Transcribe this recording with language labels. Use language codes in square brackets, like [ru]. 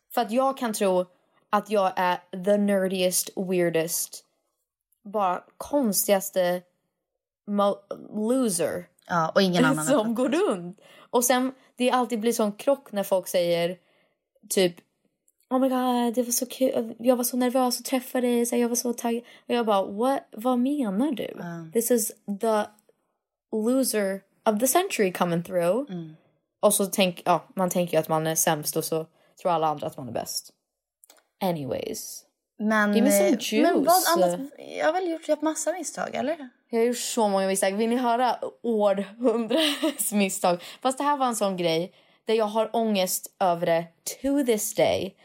[sv] För att jag kan tro att jag är [en] the nerdiest, weirdest, [sv] bara konstigaste loser. Ja, och ingen annan. Som går runt. Och sen, det alltid blir sån krock när folk säger typ, [en] oh my god, [sv] det var så kul. Jag var så nervös att träffa dig. Så jag var så taggad. Och jag bara, [en] what? [sv] Vad menar du? [en] This is the loser of the century coming through. Mm. [sv] Och så tänker, ja, man tänker ju att man är sämst och så tror alla andra att man är bäst. [en] Anyways. [sv] Men, [en] give me some juice. [sv] Men vad annat, jag har väl gjort ett massa misstag, eller? Jag har gjort så många misstag. Vill ni höra århundrades misstag? Fast det här var en sån grej där jag har ångest över det [en] to this day.